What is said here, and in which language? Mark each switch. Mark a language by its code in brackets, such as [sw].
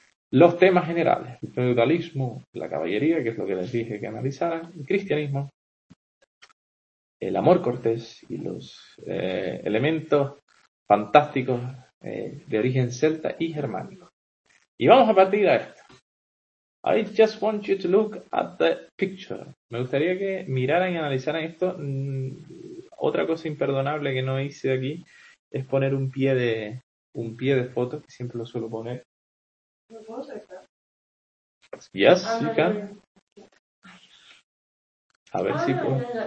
[es] Los temas generales, el feudalismo, la caballería, que es lo que les dije que analizaran, el cristianismo, el amor cortés y los elementos fantásticos de origen celta y germánico. Y vamos a partir de esto. [en] I just want you to look at the picture. [es] Me gustaría que miraran y analizaran esto. Otra cosa imperdonable que no hice aquí es poner un pie de foto, que siempre lo suelo poner. ¿Lo puedo sacar? [en] Yes, you can. [es] A ver si puedo.